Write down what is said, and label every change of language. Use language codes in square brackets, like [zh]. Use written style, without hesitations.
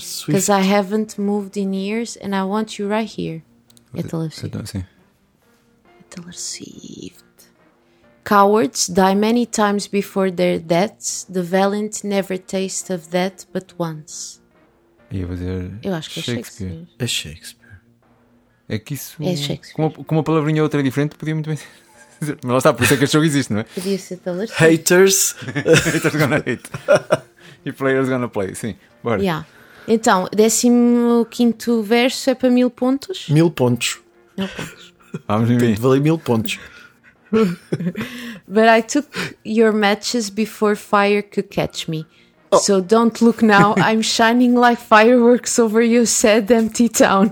[en] Because I haven't moved in years and I want you right here. [pt] É Taylor Swift. Sim. É Taylor Swift. [en] Cowards die many times before their deaths. The valiant never taste of death but once. [pt] Eu vou dizer. Eu acho que Shakespeare. É Shakespeare. É que isso. É Shakespeare. Com uma palavrinha ou outra diferente, podia muito bem dizer. Mas lá está, por isso é que este jogo existe, não é? Podia ser Taylor Swift. [en] Haters. Haters gonna hate. E players gonna play, [pt] sim. Bora. [en] Yeah. [pt] Então, 15º verso é para 1000 pontos? 1000 pontos. 1000 pontos. Vamos ver. Tem de valer 1000 pontos. [en] But I took your matches before fire could catch me. Oh. So don't look now, I'm shining like fireworks over your sad empty town.